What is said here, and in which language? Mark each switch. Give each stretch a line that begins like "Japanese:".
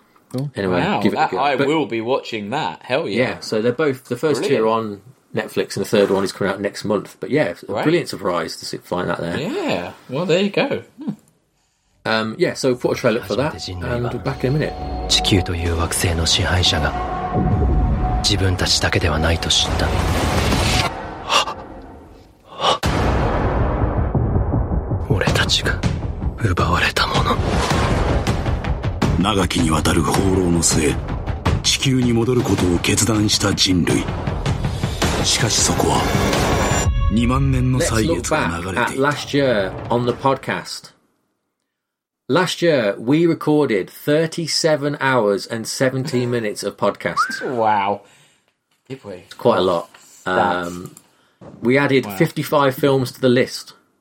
English: Cool. Anyway, wow, give it a go. I will be watching that. Hell yeah. Yeah, so they're both, the first brilliant. Two are on Netflix and the third one is coming out next month. But yeah, a right. Brilliant surprise to find that there. Yeah, well, there you go. Yeah, so we'll put a trailer for that and we'll be back in a minute.
Japanese: 地球という惑星の支配者が自分たちだけではないと知った。俺たちが奪われたもの。長きにわたる放浪の末、地球に戻ることを決断した人類。しかしそこは2万年の歳月が流れていた。
English: Let's look back at last year on the podcast. Last year, we recorded 37 hours and 17 minutes of podcasts. Wow. Did we? Quite a lot. We added 55 films to the list.